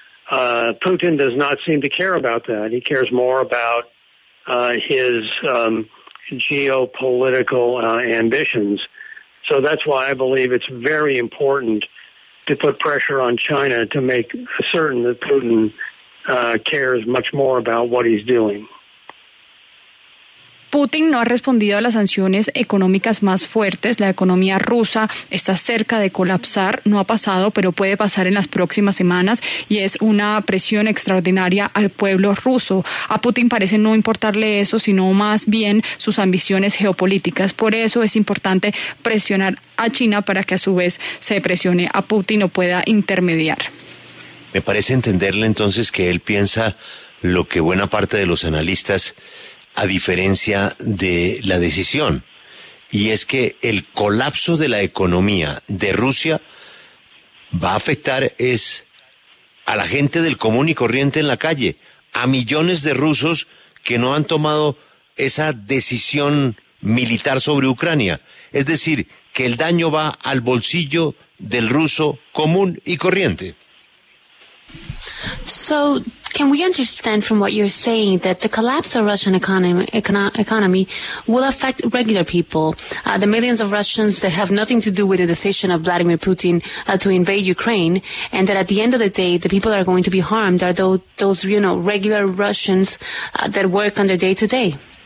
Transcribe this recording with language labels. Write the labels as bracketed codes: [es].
[en] Putin does not seem to care about that. He cares more about his geopolitical ambitions. So that's why I believe it's very important to put pressure on China to make certain that Putin cares much more about what he's doing. [es] Putin no ha respondido a las sanciones económicas más fuertes. La economía rusa está cerca de colapsar. No ha pasado, pero puede pasar en las próximas semanas y es una presión extraordinaria al pueblo ruso. A Putin parece no importarle eso, sino más bien sus ambiciones geopolíticas. Por eso es importante presionar a China para que a su vez se presione a Putin o pueda intermediar. Me parece entenderle entonces que él piensa lo que buena parte de los analistas, a diferencia de la decisión, y es que el colapso de la economía de Rusia va a afectar es a la gente del común y corriente en la calle, a millones de rusos que no han tomado esa decisión militar sobre Ucrania. Es decir, que el daño va al bolsillo del ruso común y corriente. [en] So, can we understand from what you're saying that the collapse of Russian economy will affect regular people, the millions of Russians that have nothing to do with the decision of Vladimir Putin to invade Ukraine, and that at the end of the day, the people that are going to be harmed are those you know, regular Russians that work on their day-to-day?